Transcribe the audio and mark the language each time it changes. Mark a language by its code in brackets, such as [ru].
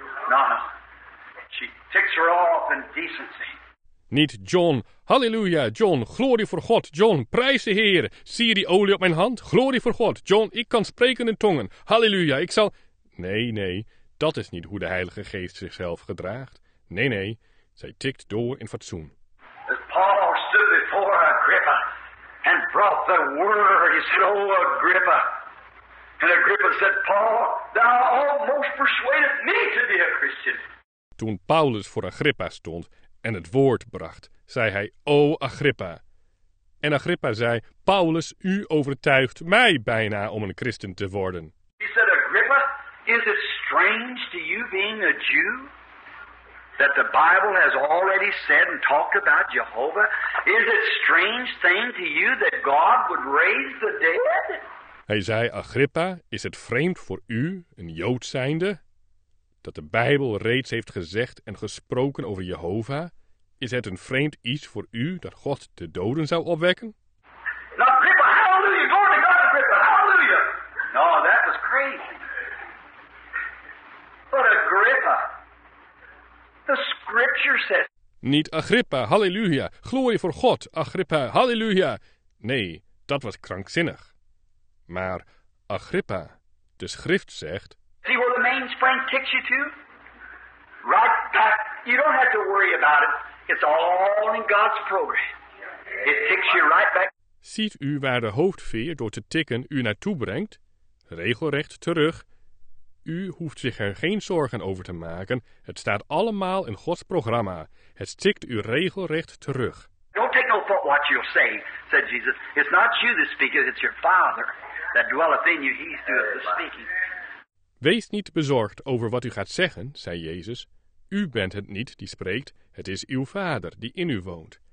[en] No, no, she ticks her off in decency. [nl] Niet John, hallelujah, John, glorie voor God, John, prijs de Heer, zie je die olie op mijn hand, glorie voor God, John, ik kan spreken in tongen, hallelujah, ik zal... Nee, nee, dat is niet hoe de Heilige Geest zichzelf gedraagt. Nee, nee, zij tikt door in fatsoen. [en] As Paul stood before Agrippa and brought the word, he said, oh Agrippa, And Agrippa said, Paul, thou almost persuadest me to be a Christian. [nl] Toen Paulus voor Agrippa stond en het woord bracht, zei hij, O Agrippa. En Agrippa zei, Paulus, u overtuigt mij bijna om een christen te worden. [en] He said, Agrippa, is it strange to you being a Jew? That the Bible has already said and talked about Jehovah? Is it strange thing to you that God would raise the dead? [nl] Hij zei, Agrippa, is het vreemd voor u, een Jood zijnde, dat de Bijbel reeds heeft gezegd en gesproken over Jehovah? Is het een vreemd iets voor u dat God de doden zou opwekken? [en] Now, Agrippa, hallelujah, glory to God, Agrippa, hallelujah. No, that was crazy. But Agrippa, the scripture says... [nl] Niet Agrippa, hallelujah, glorie voor God, Agrippa, hallelujah. Nee, dat was krankzinnig. Maar Agrippa, de schrift zegt... [en] See where the mainspring kicks you to? Right back, you don't have to worry about it. It's all in God's program. It kicks you right back. [nl] Ziet u waar de hoofdveer door te tikken u naartoe brengt? Regelrecht terug. U hoeft zich er geen zorgen over te maken. Het staat allemaal in Gods programma. Het tikt u regelrecht terug. [en] Don't take no thought what you'll say, said Jesus. It's not you that speaketh, it's your Father that dwelleth in you. He's doeth the speaking. [nl] Wees niet bezorgd over wat u gaat zeggen, zei Jezus. U bent het niet die spreekt, het is uw Vader die in u woont.